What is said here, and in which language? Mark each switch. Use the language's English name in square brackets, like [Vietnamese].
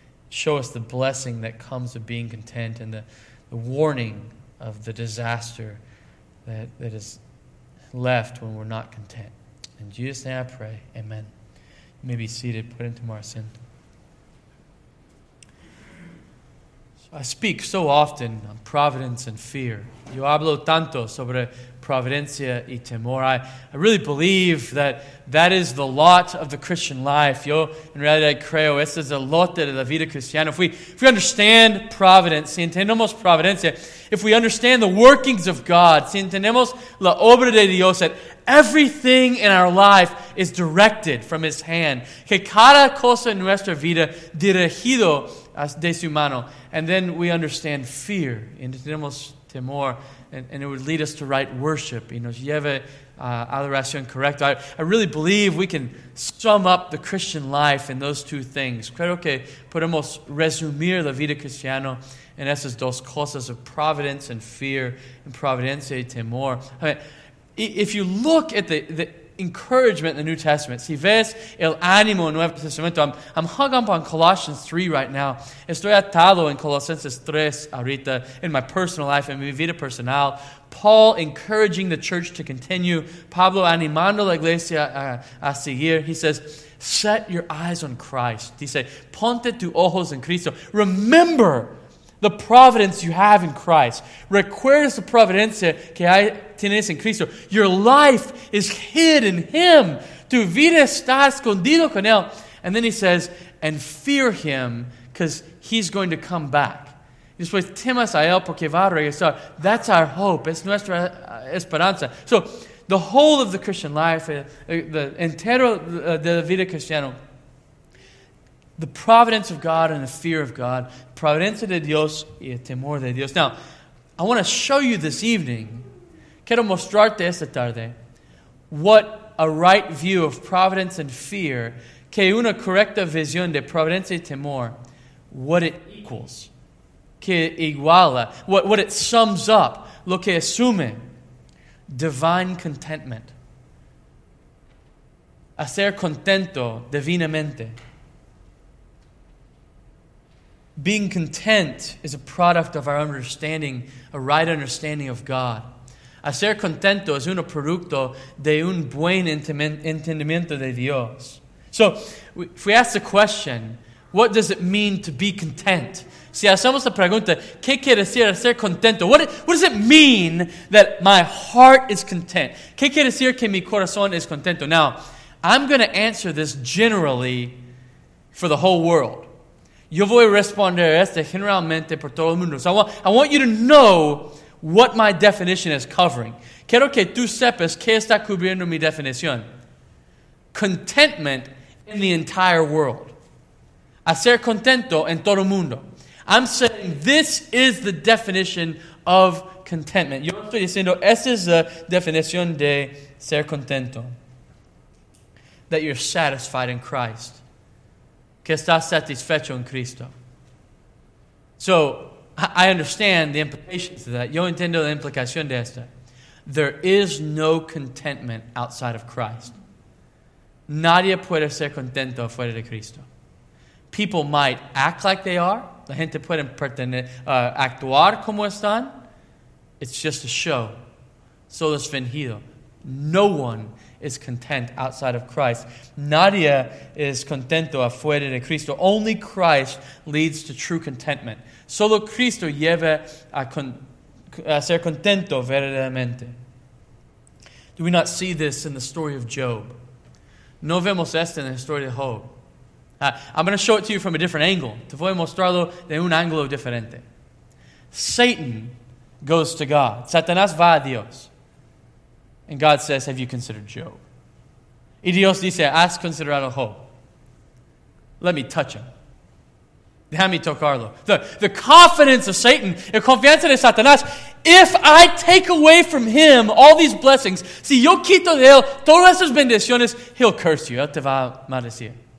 [English] Show us the blessing that comes of being content and the warning of the disaster that is left when we're not content. In Jesus' name I pray, amen. May be seated, put into more sin. So I speak so often on providence and fear. [Spanish] Yo hablo tanto sobre providencia y temor. [English] I really believe that is the lot of the Christian life. [Spanish] Yo en realidad creo, ese es el lote de la vida cristiana. [English] If we understand providence, [Spanish] si entendemos providencia, [English] if we understand the workings of God, [Spanish] si entendemos la obra de Dios, [English] that everything in our life is directed from his hand. [Spanish] Que cada cosa en nuestra vida dirigido de su mano. [English] And then we understand fear. [Spanish] Entendemos temor. [English] And it would lead us to right worship. [Spanish] Y nos lleve a la oración correcta. [English] I really believe we can sum up the Christian life in those two things. [Spanish] Creo que podemos resumir la vida cristiana en esas dos cosas [English] of providence and fear. And [Spanish] providencia y temor. [English] If you look at the encouragement in the New Testament, [Spanish] si ves el ánimo en Nuevo Testamento, [English] I'm hung up on Colossians 3 right now. [Spanish] Estoy atado en Colosenses 3 ahorita [English] in my personal life, [Spanish] en mi vida personal. [English] Paul encouraging the church to continue. [Spanish] Pablo animando la iglesia a seguir. [English] He says, set your eyes on Christ. [Spanish] Dice, ponte tus ojos en Cristo. [English] Remember the providence you have in Christ. [Spanish] Recuerdas la providencia que hay, tienes en Cristo. [English] Your life is hid in Him. [Spanish] Tu vida está escondido con Él. [English] And then he says, and fear Him because He's going to come back. [Spanish] Después temas a Él porque va a regresar. [English] That's our hope. [Spanish] Es nuestra esperanza. [English] So the whole of the Christian life, the [Spanish] entero de la vida cristiana, [English] the providence of God and the fear of God. [Spanish] Providencia de Dios y el temor de Dios. [English] Now, I want to show you this evening, [Spanish] quiero mostrarte esta tarde, [English] what a right view of providence and fear, [Spanish] que una correcta visión de providencia y temor, [English] what it equals, [Spanish] que iguala, [English] what it sums up, [Spanish] lo que asume [English] divine contentment. [Spanish] Hacer contento divinamente. [English] Being content is a product of our understanding, a right understanding of God. [Spanish] Hacer contento es un producto de un buen entendimiento de Dios. [English] So, if we ask the question, what does it mean to be content? [Spanish] Si hacemos la pregunta, ¿qué quiere decir hacer contento? [English] What does it mean that my heart is content? [Spanish] ¿Qué quiere decir que mi corazón es contento? [English] Now, I'm going to answer this generally for the whole world. [Spanish] Yo voy a responder este generalmente por todo el mundo. [English] So I want you to know what my definition is covering. [Spanish] Quiero que tú sepas qué está cubriendo mi definición. [English] Contentment in the entire world. [Spanish] Hacer contento en todo el mundo. [English] I'm saying this is the definition of contentment. [Spanish] Yo estoy diciendo, esta es la definición de ser contento. [English] That you're satisfied in Christ. [Spanish] Que estás satisfecho en Cristo. [English] So, I understand the implications of that. [Spanish] Yo entiendo la implicación de esta. [English] There is no contentment outside of Christ. [Spanish] Nadie puede ser contento fuera de Cristo. [English] People might act like they are. [Spanish] La gente puede actuar como están. [English] It's just a show. [Spanish] Solo es fingido. [English] No one is content outside of Christ. [Spanish] Nadie es contento afuera de Cristo. [English] Only Christ leads to true contentment. [Spanish] Solo Cristo lleva a ser contento verdaderamente. [English] Do we not see this in the story of Job? [Spanish] No vemos esto en la historia de Job. [English] I'm going to show it to you from a different angle. [Spanish] Te voy a mostrarlo de un ángulo diferente. [English] Satan goes to God. [Spanish] Satanás va a Dios. [English] And God says, have you considered Job? [Spanish] Y Dios dice, has considerado Job. [English] Let me touch him. [Spanish] Déjame tocarlo. [English] The confidence of Satan, [Spanish] el confianza de Satanás, [English] if I take away from him all these blessings, [Spanish] si yo quito de él todas esas bendiciones, [English] he'll curse you. [Spanish] Él te va a maldecir.